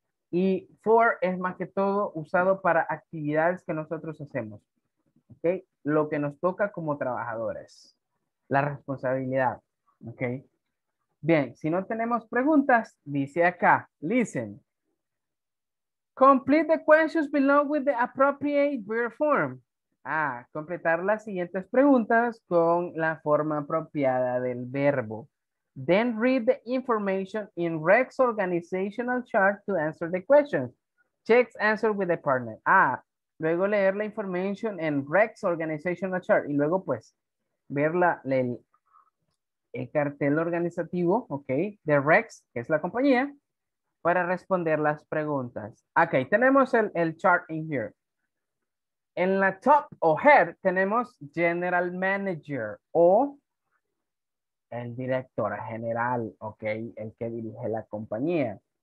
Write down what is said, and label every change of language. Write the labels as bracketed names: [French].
[Spanish] Y for es más que todo usado para actividades que nosotros hacemos, ¿ok? Lo que nos toca como trabajadores, la responsabilidad, ¿ok? Bien, si no tenemos preguntas, dice acá, listen. [English] Complete the questions below with the appropriate verb form. [Spanish] Ah, completar las siguientes preguntas con la forma apropiada del verbo. [English] Then read the information in Rex organizational chart to answer the questions. Check answer with the partner. [Spanish] Ah, luego leer la information en Rex organizational chart y luego pues ver el cartel organizativo, ok, de Rex, que es la compañía, para responder las preguntas. Ok, tenemos el chart [English] in here. [Spanish] En la top o head tenemos general manager o el director general, ok, el que dirige la compañía.